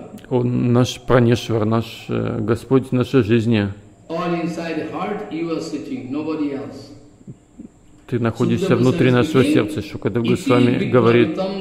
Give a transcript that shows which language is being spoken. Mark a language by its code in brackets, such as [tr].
[ru] Он наш Пранешвар, наш Господь нашей жизни. [en] All inside the heart, you are sitting, nobody else. [ru] Ты находишься внутри нашего сердца, Шукадев Госвами говорит.